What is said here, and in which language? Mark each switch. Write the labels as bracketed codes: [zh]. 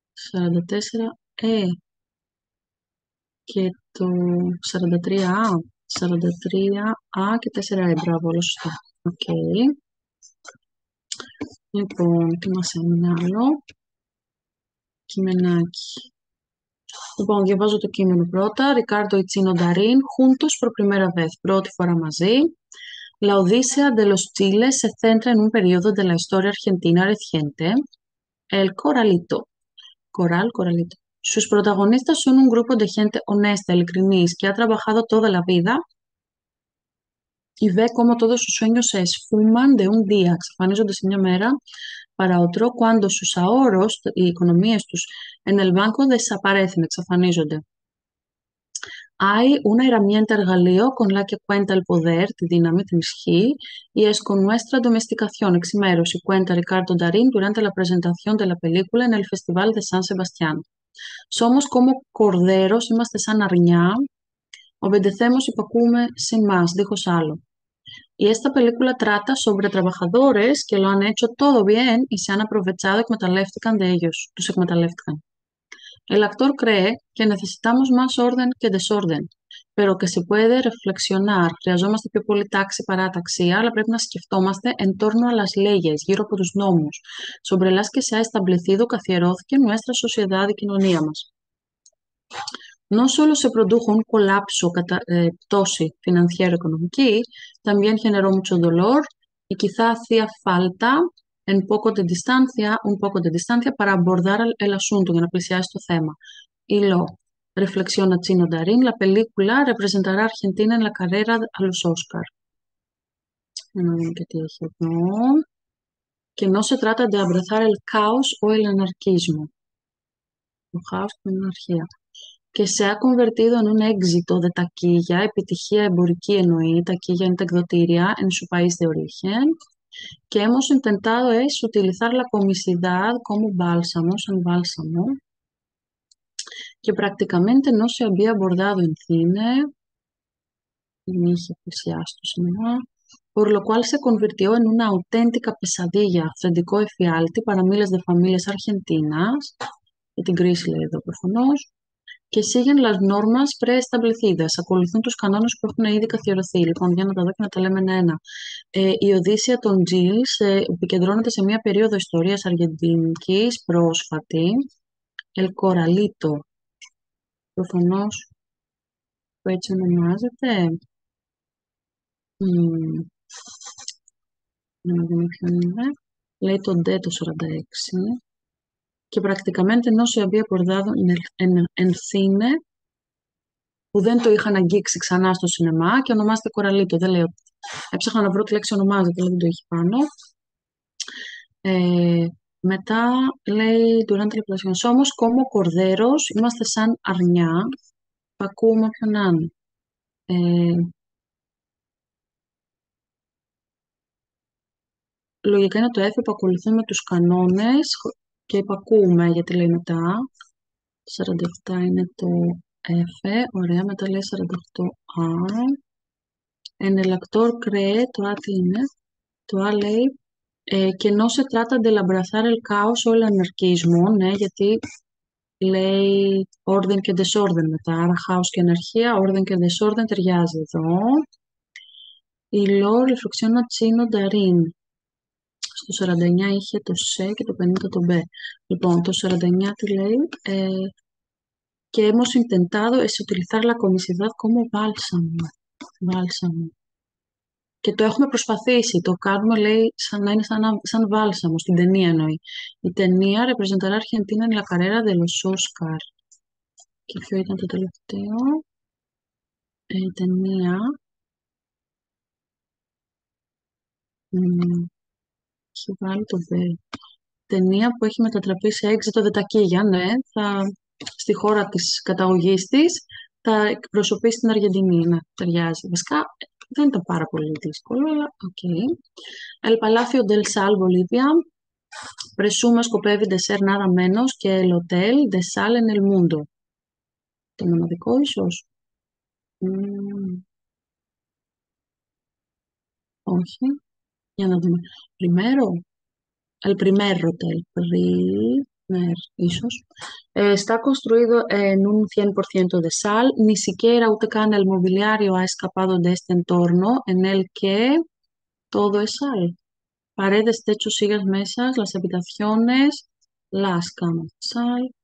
[el] 44 Ε. Και το 43A, 43A και 4A, μπράβο, όλα σωστά. Okay. Λοιπόν, τι μας έμεινε άλλο. Κειμενάκι. Λοιπόν, διαβάζω το κείμενο πρώτα. [es] Ricardo y Chino Darín, juntos por primera vez, [el] πρώτη φορά μαζί. [es] La Odisea de los Chiles se centra en un periodo de la historia argentina reciente, el Coralito. Coral, Coralito. Sus protagonistas son un grupo de gente honesta, ειλικρινής, que ha trabajado toda la vida y ve cómo todos sus sueños se esfuman de un día, [el] εξαφανίζονται σε μια μέρα, [es] para otro, cuando sus ahorros, [el] οι οικονομίες τους, [es] en el banco desaparecen, [el] εξαφανίζονται. [es] Hay una herramienta εργαλείο con la que cuenta el poder, [el] τη δύναμη, την ισχύ, [es] y es con nuestra domesticación, εξημέρωση, cuenta Ricardo Darín durante la presentación de la película en el Festival de San Sebastián. Somos como corderos, [el] είμαστε σαν αρνιά. [es] Obedecemos y [el] υπακούμε [es] sin más, [el] δίχως άλλο. [es] Y esta película trata sobre trabajadores que lo han hecho todo bien y se han aprovechado, εκμεταλλεύτηκαν de ellos, [el] τους εκμεταλλεύτηκαν. [es] El actor cree que necesitamos más orden que desorden, pero que se puede reflexionar. [el] Χρειαζόμαστε πιο πολύ τάξη παρά αταξία, αλλά πρέπει να σκεφτόμαστε [es] en torno a las leyes, [el] γύρω από τους νόμους. [es] Sobre las que se ha establecido, καθιερώθηκε nuestra sociedad, [el] η κοινωνία μας. [es] No solo se produjo un colapso, πτώση financiero-economική, también generó mucho dolor y quizá hacía falta en poco de distancia, un poco de distancia para abordar el asunto, [el] για να πλησιάσει το θέμα. [es] Y lo reflexiona Chino Darín, la película representará Argentina en la carrera a los Oscar. No sé qué tiene que ver. Que no se trata de abrazar el caos o el anarquismo. El caos y la anarquía. Que se ha convertido en un éxito de taquilla, [el] επιτυχία εμπορική εννοεί, [es] taquilla en taquilloteria, en su país de origen. Que hemos intentado es utilizar la comicidad como bálsamo, un bálsamo. [el] Και πρακτικαμέντε [es] no se había abordado en cine. [el] Δεν είχε πλησιάσει το σινεμά. [es] Por lo cual se convirtió en una auténtica pesadilla. [el] Αυθεντικό εφιάλτη [es] para miles de familias argentinas. [el] Για την κρίση λέει εδώ προφανώς. [es] Και siguen las normas preestablecidas. [el] Ακολουθούν τους κανόνες που έχουν ήδη καθιερωθεί. Λοιπόν, για να τα δω και να τα λέμε ένα-ένα. Η Οδύσσια των Τζιλ επικεντρώνεται σε μια περίοδο ιστορίας αργεντινικής πρόσφατη. El Corralito. Προφανώς που έτσι ονομάζεται. Να δούμε ποιο είναι. Λέει τον Ντέ το 46. Και πρακτικά μένετε ενό η αμπία πορδάδων ενθύνε που δεν το είχαν αγγίξει ξανά στο σινεμά και ονομάζεται Κοραλίτο. Δεν λέω. Έψαχνα να βρω τη λέξη ονομάζεται, αλλά δεν το έχει πάνω. Μετά λέει [es] Durante la plasión. Somos como corderos. [el] Είμαστε σαν αρνιά. Πακούμε όποιον άνει. Λογικά είναι το έφυπο. Ακολουθούμε τους κανόνες. Και υπακούμε γιατί λέει μετά. 47 είναι το F. Ωραία, μετά λέει 48 A. [es] En el actor cree, [el] το A τι είναι. Το A λέει. [es] Και no se trata de abrazar el caos o el anarquismo. [el] Ναι, γιατί λέει [es] orden [el] και disorder μετά. Άρα χάος και αναρχία, [es] orden [el] και disorder ταιριάζει εδώ. Η Λόρ, η φρουξιόνα Τσίνο Νταρίν. Το 49 είχε το σε και το 50 το μπε. Λοιπόν, το 49 τι λέει. [es] Και hemos intentado es utilizar la comicidad como bálsamo. Bálsamo. [el] Και το έχουμε προσπαθήσει. Το κάνουμε, λέει, σαν να είναι σαν βάλσαμο. Στην ταινία εννοεί. [es] Η ταινία representará Argentina en la carrera de los Oscar. [el] Και ποιο ήταν το τελευταίο. Η ταινία. Έχει βάλει το δε. Ταινία που έχει μετατραπεί σε έξιτο δετακίγια, ναι, στη χώρα της καταγωγής της, θα εκπροσωπεί στην Αργεντινή, ναι, ταιριάζει. Βασικά, δεν ήταν πάρα πολύ δύσκολο, αλλά οκ. [es] El Palacio del Sal, Bolivia. Presume, [el] σκοπεύει, [es] ντεσέρ, nada menos, και el Hotel de Sal en el Mundo. [el] Το μοναδικό, ίσως. Όχι. Για να δούμε. [es] Primero. El primer hotel. Primer, [el] ίσως. [es] Está construido en un 100% de sal. Ni siquiera [el] ούτε καν [es] el mobiliario ha escapado de este entorno. En el que todo es sal. Paredes, techos, sillas, mesas, las habitaciones, las camas. Sal.